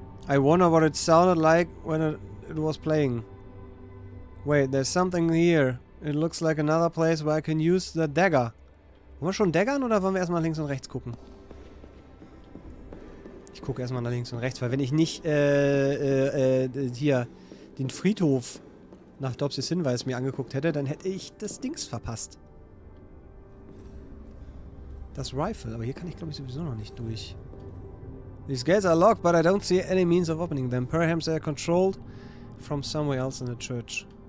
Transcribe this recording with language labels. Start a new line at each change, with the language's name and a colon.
English: I wonder what it sounded like when it was playing. Wait, there's something here. It looks like another place where I can use the dagger.
German: Wollen wir schon daggern oder wollen wir erstmal links und rechts gucken? Ich gucke erstmal nach links und rechts, weil wenn ich nicht hier den Friedhof nach Dobsys Hinweis mir angeguckt hätte, dann hätte ich das Dings verpasst. Das Rifle, aber hier kann ich glaube ich sowieso noch nicht durch.
English: These gates are locked, but I don't see any means of opening them. Perhaps they are controlled from somewhere else in the church.